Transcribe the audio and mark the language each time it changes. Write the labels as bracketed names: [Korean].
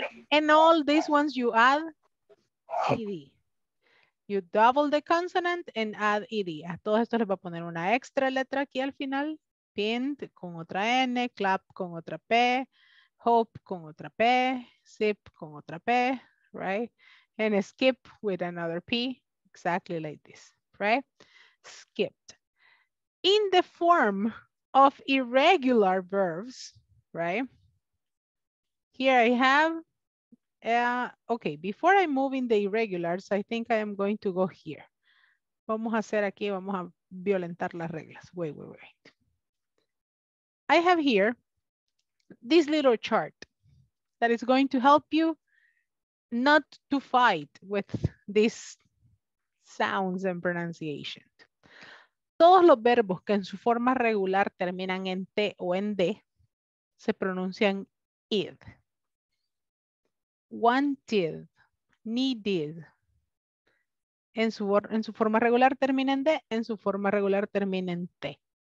[English] And all these ones you add ED. You double the consonant and add ED. [Spanish] A todos estos les va a poner una extra letra aquí al final. Pinned con otra N, clap con otra P, hope con otra P, sip con otra P, right? [English] And skip with another P, exactly like this, right? Skipped. In the form of irregular verbs, right? Here I have, okay, before I move in the irregulars, I think I am going to go here. [Spanish] Vamos a hacer aquí, vamos a violentar las reglas. [English] Wait, wait, wait. I have here this little chart that is going to help you not to fight with these sounds and pronunciations. [Spanish] Todos los verbos que en su forma regular terminan en T o en D se pronuncian id. Wanted, needed. En su forma regular termina en D, en su forma regular termina en T.